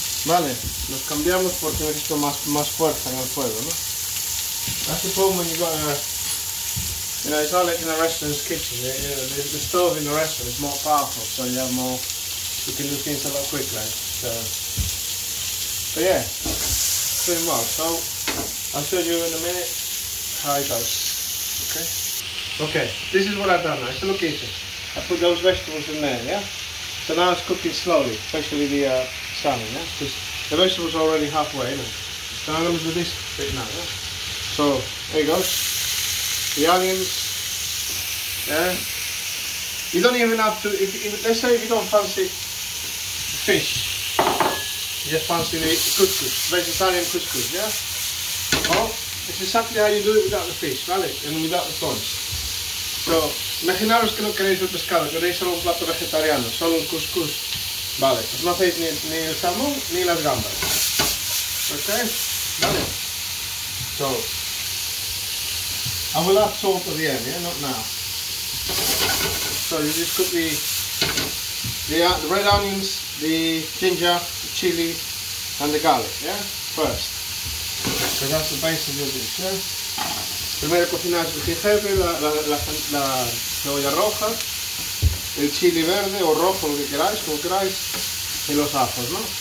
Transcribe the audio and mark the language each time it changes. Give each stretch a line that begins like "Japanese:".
Spanish: Vale, los cambiamos porque necesito más fuerza en el fuego, ¿no?
English: That's the problem when you've got a... You know, it's not like in a restaurant's kitchen. The stove in the restaurant is more powerful, so you have more... You can do things a lot quicker, so... But yeah, pretty well. So, I'll show you in a minute how it goes, okay? Okay, this is what I've done now. It's a look easy. I put those vegetables in there, yeah? So now it's cooking slowly, especially the salmon, yeah? Because the vegetable's already halfway, isn't it? So I'm going to do this bit now, yeah? So, there you go. The onions, yeah? You don't even have to, let's say if you don't fancy fish, you just fancy the couscous, vegetarian couscous, yeah? Well, it's exactly how you do it without the fish,
Spanish: ¿vale?
English: And without the prawns.
Spanish: So, imaginaros que no queréis el pescado, queréis solo un plato vegetariano, solo un couscous. Vale, pues no hacéis ni el salmón ni las gambas. Ok, vale.
English: So, I will add salt at the end, yeah, not now. So you just cook the red onions, the ginger, the chili, and the garlic, yeah, first. So that's the base of your dish, yeah.
Spanish: Primero cocinas el jengibre, la cebolla roja, el chili verde o rojo, lo que queráis, como queráis, y los ajos, ¿no?